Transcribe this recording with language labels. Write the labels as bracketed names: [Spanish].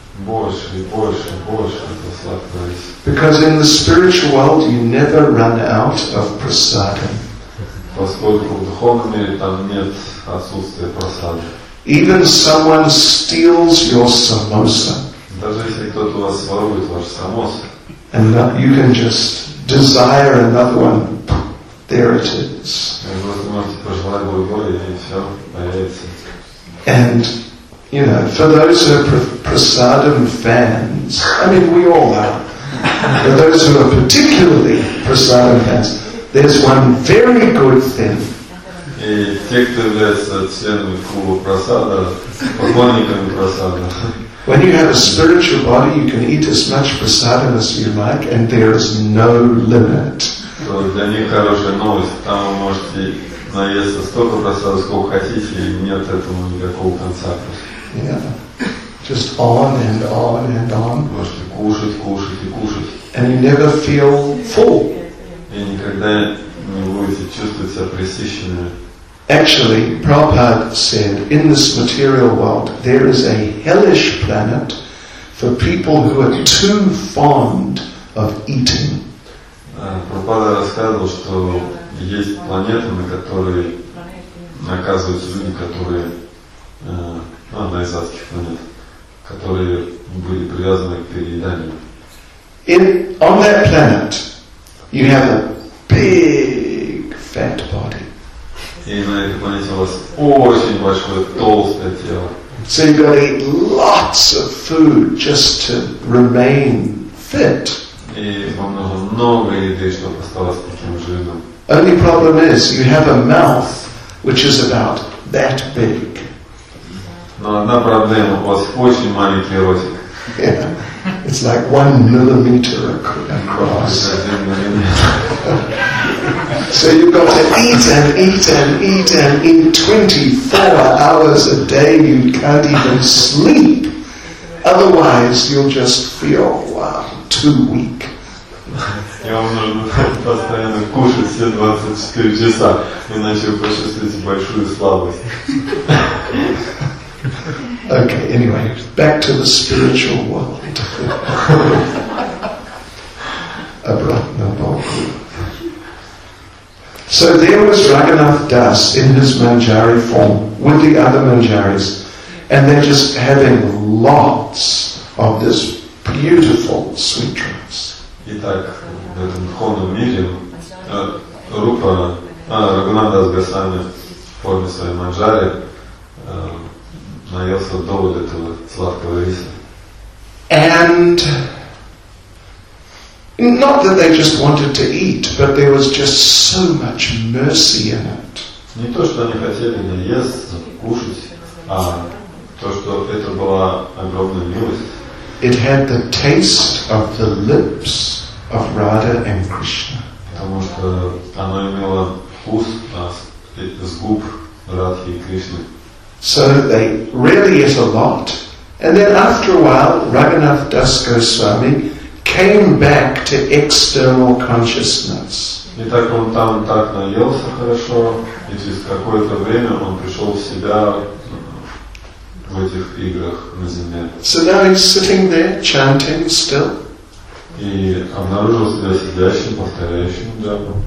[Russian] Больше и больше, больше это сладкое рис. [English] Because in the spiritual world you never run out of prasadam. [Russian] Поскольку в духовном мире там нет отсутствия прасады. [English] Even someone steals your samosa. [Russian] Даже если кто-то у вас ворует ваш самоса. [English] And that you can just desire another one. There it is. And you [Russian] можете пожелать другой, и все появится. [English] And you know, for those who are prasadam fans, I mean, we all are. For those who are particularly prasadam fans, there's one very good thing. [Russian] И те, кто является членами клуба прасада, поклонниками прасада. [English] When you have a spiritual body, you can eat as much prasadam as you like, and there is no limit. [Russian] То для них хорошая новость. Там вы можете наесться столько прасада, сколько хотите, и нет этому никакого конца. [English] Yeah. Just on and on and on. [Russian] Можете кушать, кушать и кушать. [English] And you never feel full. [Russian] И никогда не будете чувствовать себя пресыщенными. [English] Actually, Prabhupada said, in this material world, there is a hellish planet for people who are too fond of eating. [Russian] Prabhupada рассказывал, что есть планета, на которой наказываются люди, которые одна из адских планет, которые были привязаны к перееданию. [English] On that planet, you have a big fat body. [Russian] И на этой планете у вас очень большое толстое тело. [English] So you gotta eat lots of food just to remain fit. [Russian] И вам нужно много еды, чтобы оставаться таким жирным. [English] Only problem is you have a mouth which is about that big. [Russian] Но одна проблема, у вас очень маленький ротик. [English] Yeah. It's like 1 millimeter across. So you've got to eat and eat and eat and eat 24 hours a day. You can't even sleep. Otherwise, you'll just feel, wow, too weak. [Russian] Я вам нужно постоянно кушать все 24 часа, иначе вы почувствуете большую слабость. [English] Okay, anyway, back to the spiritual world. Abratna Bhakti. So there was Raghunath Das in his manjari form with the other manjaris, and they're just having lots of this beautiful sweet rice. [Russian] Итак, в этом духовном мире Рупа, Раганат Дас Гасвами в форме своей манджари наелся довольно этого сладкого риса. [English] And not that they just wanted to eat, but there was just so much mercy in it. [Russian] Не то, что они хотели наесться, кушать, а то, что это была огромная милость. [English] It had the taste of the lips of Radha and Krishna. [Russian] Потому что оно имело вкус с губ Радхи и Кришны. [English] So they really ate a lot. And then after a while, Raghunath Das Goswami came back to external consciousness. [Russian] И так он там так наелся хорошо, и через какое-то время он пришел в себя в этих играх на земле. [English] So now he's sitting there chanting still. [Russian] И обнаружил себя сидящим, повторяющим джапу.